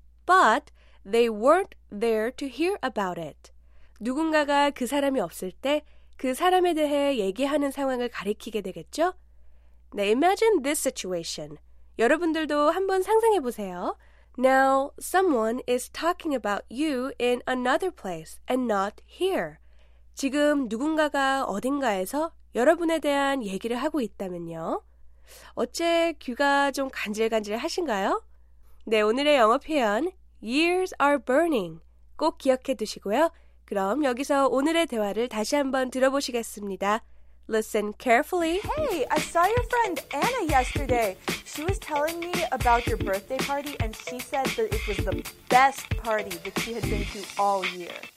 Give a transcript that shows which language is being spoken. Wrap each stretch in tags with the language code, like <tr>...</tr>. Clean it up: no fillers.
<en>But they weren't there to hear about it.</en> <ko>누군가가 그 사람이 없을 때 그 사람에 대해 얘기하는 상황을 가리키게 되겠죠?</ko> <en>네, imagine this situation.</en> <ko>여러분들도 한번 상상해 보세요.</ko> <en>Now, someone is talking about you in another place and not here.</en> <ko>지금 누군가가 어딘가에서 여러분에 대한 얘기를 하고 있다면요. 어째 귀가 좀 간질간질하신가요? 네, 오늘의 영어 표현,</ko> <en>ears are burning.</en> <ko>꼭 기억해 두시고요. 그럼 여기서 오늘의 대화를 다시 한번 들어보시겠습니다.</ko> <en>Listen carefully. Hey, I saw your friend Anna yesterday. She was telling me about your birthday party and she said that it was the best party that she had been to all year.</en>